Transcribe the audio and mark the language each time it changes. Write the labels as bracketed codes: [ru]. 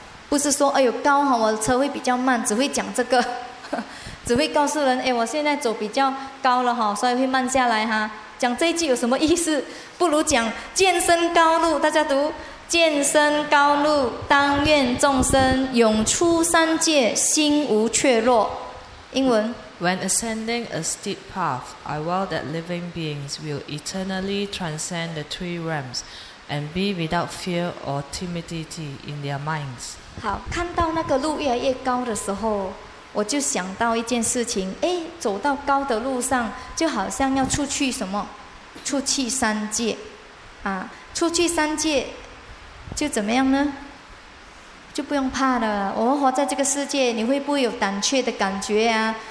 [zh] 不是说哎呦高哈，我的车会比较慢，只会讲这个，只会告诉人哎，我现在走比较高了哈，所以会慢下来哈。讲这一句有什么意思？不如讲健身高路，大家读健身高路，当愿众生永出三界，心无怯弱。英文。 [en] When ascending a steep path, I vow that living beings will eternally transcend the three realms and be without fear or timidity in their minds. [zh] 好，看到那个路越来越高的时候，我就想到一件事情，哎，走到高的路上，就好像要出去什么？出去三界。啊，出去三界，就怎么样呢？就不用怕了。我们活在这个世界，你会不会有胆怯的感觉啊？